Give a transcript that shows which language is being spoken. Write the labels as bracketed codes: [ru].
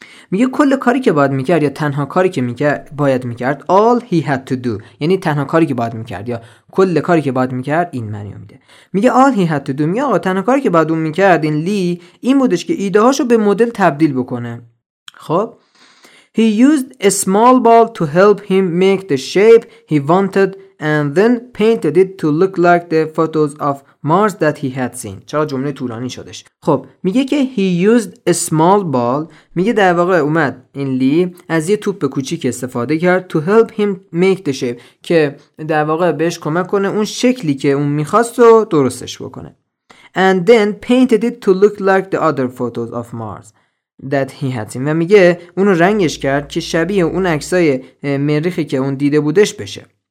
[fa] میگه کل کاری که باید میکرد یا تنها کاری که باید میکرد، [en] all he had to do، [fa] یعنی تنها کاری که باید میکرد یا کل کاری که باید میکرد، این معنی رو میده. میگه [en] all he had to do، [fa] میگه آقا تنها کاری که باید اون میکرد این لی این بودش که ایده هاشو به مدل تبدیل بکنه. [en] خب he used a small ball to help him make the shape he wanted and then painted it to look like the photos of Mars that he had seen. [fa] چرا جمله طولانی شدش؟ خب میگه که [en] he used a small ball، [fa] میگه در واقع اومد این لی از یه توپ کوچیک استفاده کرد [en] to help him make the shape، [fa] که در واقع بهش کمک کنه اون شکلی که اون میخواست رو درستش بکنه. [en] And then painted it to look like the other photos of Mars that he had seen. [fa] و میگه اون رو رنگش کرد که شبیه اون عکسای مریخی که اون دیده بودش بشه.